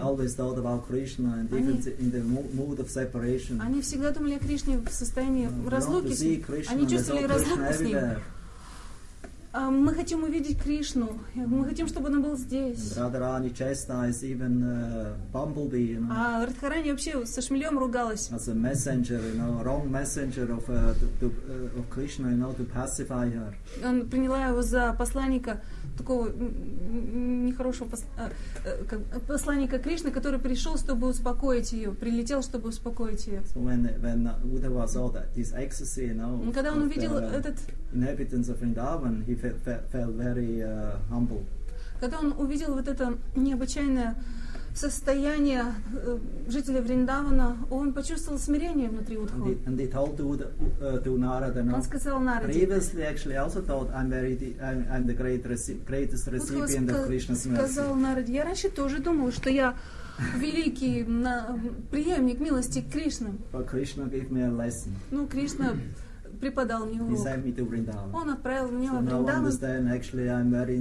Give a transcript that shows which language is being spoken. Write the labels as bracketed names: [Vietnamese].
[English] Always thought about Krishna and even in the mood of separation. [Russian] Они всегда думали о Кришне в состоянии разлуки. Они чувствовали разлуку с ним. Мы хотим увидеть Кришну. Мы хотим, чтобы он был здесь. [English] Радхарани chastised even Bumblebee, you know. [Russian] А Радхарани вообще со Шмелем ругалась. [English] As a messenger, you know, wrong messenger of of Krishna, you know, to pacify her. [Russian] Он приняла его за посланника такого нехорошего посланника Кришны, который пришел, чтобы успокоить ее, прилетел, чтобы успокоить ее. [English] So when Uddhava saw that this ecstasy, you know, [Russian] когда он увидел этот [English] inhabitants of Vrindavan, he felt very humble. [Russian] Когда он увидел вот это необычайное состояние жителей Вриндавана, он почувствовал смирение внутри Удхавы. [English] And he told to Narada, [Russian] он сказал Нараде. [English] Previously, actually, also thought I'm the greatest recipient of Krishna's mercy. [Russian] Сказал Нараде, я раньше тоже думал, что я великий преемник милости к Кришне. [English] But Krishna gave me a lesson. [Russian] Ну, Кришна преподал мне урок. Он отправил мне в Вриндаван.